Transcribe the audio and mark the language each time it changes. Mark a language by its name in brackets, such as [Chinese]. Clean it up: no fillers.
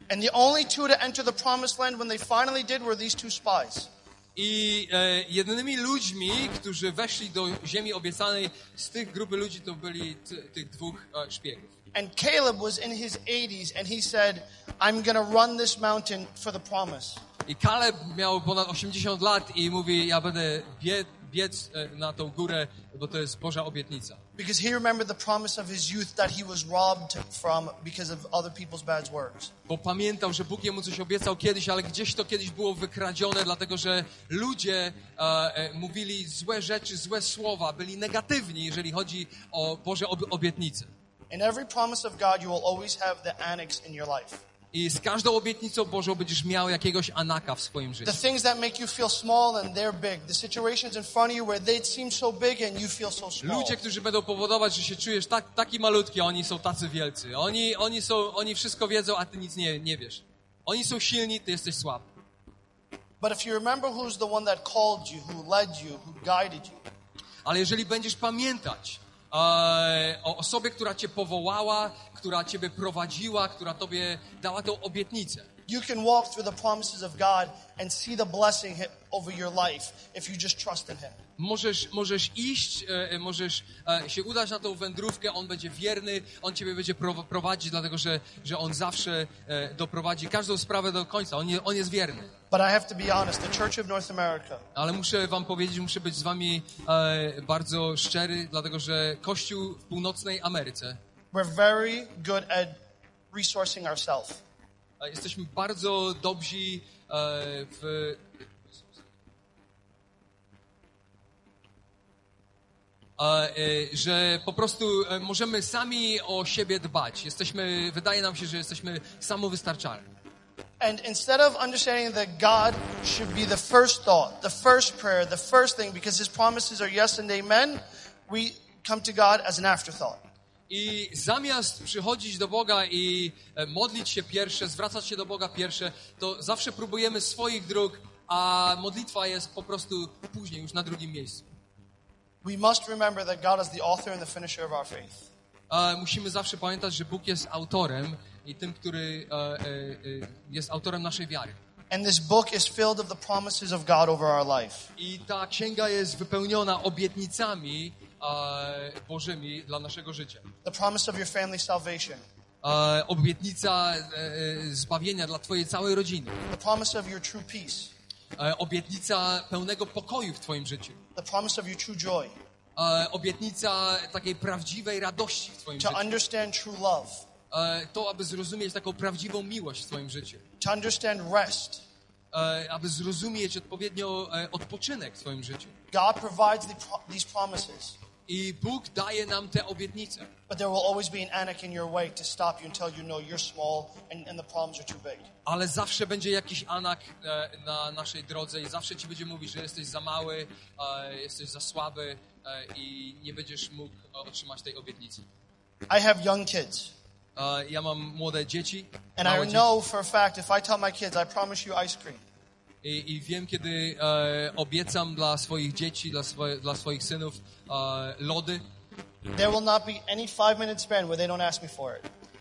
[English] And the only two to enter the promised land when they finally did were these two spies. [Polish] I jedynymi ludźmi, którzy weszli do ziemi obiecanej z tych grupy ludzi, to byli tych 2 szpiegów. [English] And Caleb was in his 80s and he said, I'm going to run this mountain for the promise. [Polish] I Caleb miał ponad 80 lat i mówi, ja będę biec na tą górę, bo to jest Boża obietnica. [English] Because he remembered the promise of his youth that he was robbed from because of other people's bad works. [Polish] Bo pamiętał, że Bóg jemu coś obiecał kiedyś, ale gdzieś to kiedyś było wykradzione, dlatego że ludzie mówili złe rzeczy, złe słowa, byli negatywni, jeżeli chodzi o Boże obietnice. [English] In every promise of God, you will always have the annex in your life. [Polish] I z każdą obietnicą Bożą będziesz miał jakiegoś anaka w swoim życiu. [English] The things that make you feel small and they're big. The situations in front of you where they seem so big and you feel so small. [Polish] Ludzie, którzy będą powodować, że się czujesz taki malutki, oni są tacy wielcy. Oni wszystko wiedzą, a ty nic nie wiesz. Oni są silni, ty jesteś słaby. [English] But if you remember who's the one that called you, who led you, who guided you. [Polish] Ale jeżeli będziesz pamiętać o osobie, która cię powołała, która ciebie prowadziła, która tobie dała tę obietnicę. [English] You can walk through the promises of God and see the blessing over your life if you just trust in him. [Polish] Możesz iść, możesz się udać na tą wędrówkę, on będzie wierny, on ciebie będzie prowadzić, dlatego że on zawsze doprowadzi każdą sprawę do końca. On jest wierny. [English] But I have to be honest, the Church of North America. [Polish] Ale muszę wam powiedzieć, muszę być z wami bardzo szczery, dlatego że Kościół w Północnej Ameryce. [English] We're very good at resourcing ourselves. [Polish] Jesteśmy bardzo dobrzy w że po prostu możemy sami o siebie dbać. Wydaje nam się, że jesteśmy samowystarczalni. [English] And instead of understanding that God should be the first thought, the first prayer, the first thing, because his promises are yes and amen, we come to God as an afterthought. [Polish] I zamiast przychodzić do Boga i modlić się pierwsze, zwracać się do Boga pierwsze, to zawsze próbujemy swoich dróg, a modlitwa jest po prostu później, już na drugim miejscu. [English] We must remember that God is the author and the finisher of our faith. [Polish] Musimy zawsze pamiętać, że Bóg jest autorem i tym, który jest autorem naszej wiary. [English] And this book is filled of the promises of God over our life. [Polish] I ta księga jest wypełniona obietnicami Bożymi dla naszego życia. [English] The promise of your family salvation. [Polish] Obietnica zbawienia dla twojej całej rodziny. [English] The promise of your true peace. [Polish] Obietnica pełnego pokoju w twoim życiu. [English] The promise of your true joy. [Polish] Obietnica takiej prawdziwej radości w twoim to życiu. [English] To understand true love. [Polish] To, aby zrozumieć taką prawdziwą miłość w twoim życiu. [English] To understand rest. [Polish] Aby zrozumieć odpowiednio odpoczynek w twoim życiu. [English] God provides these promises. [Polish] I Bóg daje nam te obietnice. [English] But there will always be an anak in your way to stop you until you know you're small and the problems are too big. [Polish] Ale zawsze będzie jakiś anak na naszej drodze i zawsze ci będzie mówić, że jesteś za mały, jesteś za słaby i nie będziesz mógł otrzymać tej obietnicy. [English] I have young kids. [Polish] Ja mam młode dzieci. [English] And I know for a fact if I tell my kids I promise you ice cream. [Polish] I wiem, kiedy obiecam dla swoich dzieci, dla swoich synów lody. [English] There will not be any 5 minute span where they don't ask me for it.